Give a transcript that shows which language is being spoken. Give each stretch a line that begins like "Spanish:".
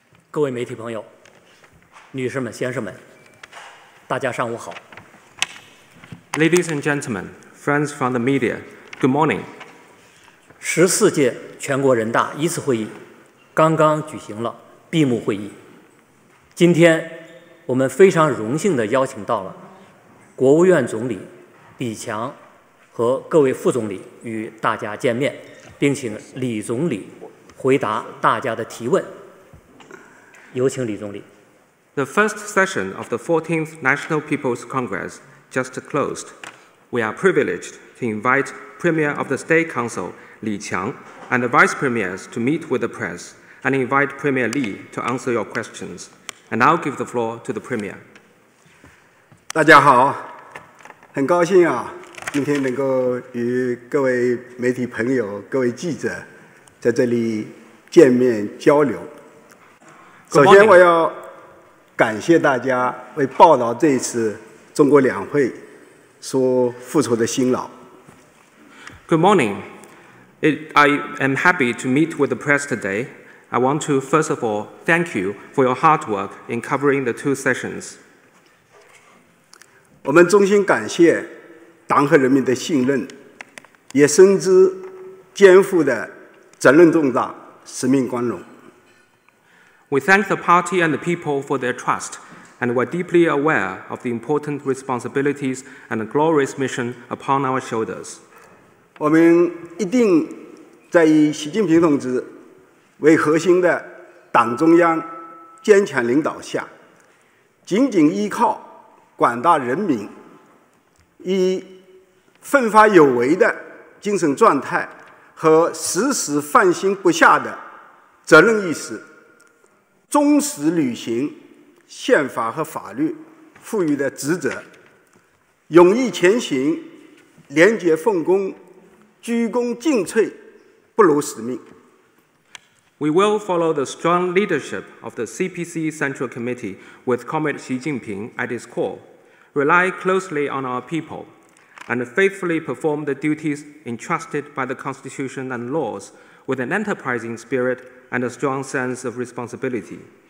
Chinese: 各位媒体朋友，女士们、先生们，大家上午好。
English: Ladies and gentlemen, friends from the media, good morning.
Chinese: 十四届全国人大一次会议刚刚举行了闭幕会议。今天我们非常荣幸地邀请到了国务院总理李强和各位副总理与大家见面，并请李总理回答大家的提问。有请李总理。
English: The first session of the 14th National People's Congress just closed. We are privileged to invite Premier of the State Council Li Qiang and the Vice Premiers to meet with the press and invite Premier Li to answer your questions. And I'll give the floor to the Premier.
Chinese: 大家好，很高兴啊，今天能够与各位媒体朋友、各位记者在这里见面交流。首先我要感谢大家为报道这一次中国两会所付出的辛劳。
English: Good morning. I am happy to meet with the press today. I want to first of all thank you for your hard work in covering the two sessions.
Chinese: 我们衷心感谢党和人民的信任，也深知肩负的责任重大，使命光荣。
English: We thank the party and the people for their trust, and we're deeply aware of the important responsibilities and the glorious mission upon our shoulders.
Chinese: 我们一定在以习近平同志为核心的党中央坚强领导下，紧紧依靠广大人民，以奋发有为的精神状态和时时放心不下的责任意识，忠实履行宪法和法律赋予的职责，勇毅前行，廉洁奉公，鞠躬尽瘁，不辱使命。
English: We will follow the strong leadership of the CPC Central Committee with Comrade Xi Jinping at its core, rely closely on our people, and faithfully perform the duties entrusted by the Constitution and laws with an enterprising spirit and a strong sense of responsibility.